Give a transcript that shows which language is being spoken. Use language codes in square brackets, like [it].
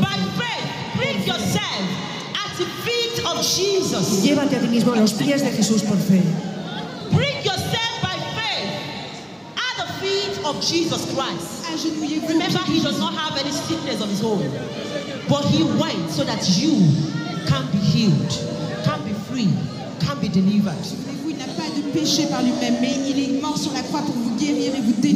[en] By faith, bring yourself at the feet of Jesus. [es] Llévate a ti mismo a los pies de Jesús por fe. [en] Bring yourself by faith at the feet of Jesus Christ. Remember, he does not have any sickness of his own. But he went so that you can be healed, can be free, can be delivered.